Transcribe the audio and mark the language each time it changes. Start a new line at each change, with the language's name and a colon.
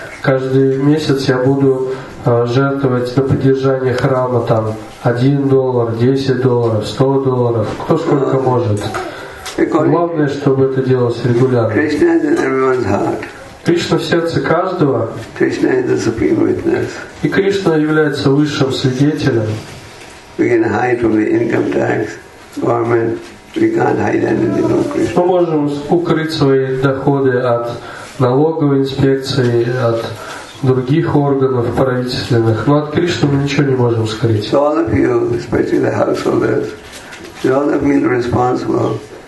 Russian: Каждый месяц я буду жертвовать на поддержание храма там $1, $10, $100, кто сколько может. Главное, чтобы это делалось регулярно.
English: Krishna is in everyone's heart.
Russian: Кришна в сердце каждого.
English: Krishna is the supreme witness.
Russian: И Кришна является высшим свидетелем.
English: We can hide from the income tax government. We can't hide anything from Krishna.
Russian: Мы можем укрыть свои доходы от налоговой инспекции, от других органов правительственных, но от Кришны мы ничего не можем скрыть.
English: So all of you, especially the householders, you all have been responsible.